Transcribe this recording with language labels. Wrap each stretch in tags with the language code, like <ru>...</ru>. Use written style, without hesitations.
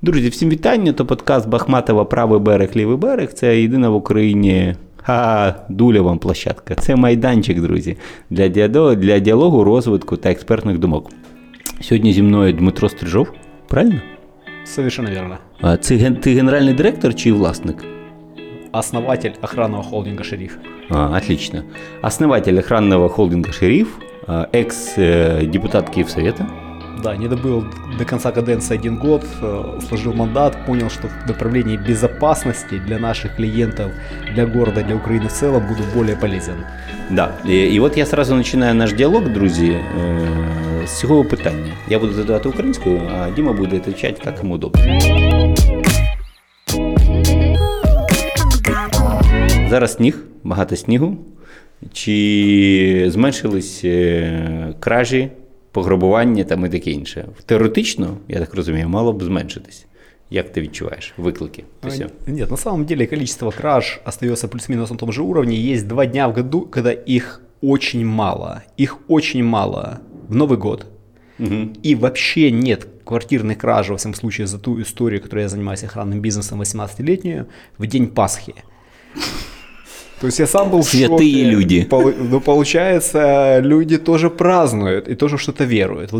<uk>Друзі, всім вітання, то подкаст Бахматова «Правий берег, лівий берег». Це єдина в Україні, дуля вам площадка. Це майданчик, друзі, для діалогу, розвитку та експертних думок. Сьогодні зі мною Дмитро Стрижов, правильно?</uk> <ru>Совершенно верно.</ru> <uk>Ти генеральний директор чи власник?</uk> <ru>Основатель охранного холдинга «Шериф». Отлично. Основатель охранного холдинга «Шериф», экс-депутат Київсовета. Да, не добыл до конца каденции один год, сложил мандат, понял, что в направлении безопасности для наших клиентов, для города, для Украины в целом буду более полезен. Да, и вот я сразу начинаю наш диалог, друзья,</ru> <uk>с цього питання.</uk> <ru>Я буду задавать украинскую, а Дима будет отвечать, как ему удобно.</ru> <uk>Зараз сніг, багато снігу. Чи зменшились кражі, пограбування там і таке інше? Теоретично, я так розумію, мало б зменшитись. Як ти відчуваєш? Виклики?</uk> <ru>Ні, на самом деле количество краж остается</ru> <uk>плюс-мінус на тому</uk> <ru>же</ru> <uk>уровні. Є два дня в году, коли їх дуже мало. Їх дуже мало в Новий год.</uk> <ru>И вообще нет квартирных краж, во всем случае, за ту историю, которой я занимаюсь охранным бизнесом 18-летнюю, в день Пасхи. То есть я сам был в шоке. Святые люди. Но получается, люди тоже празднуют и тоже что-то веруют.</ru>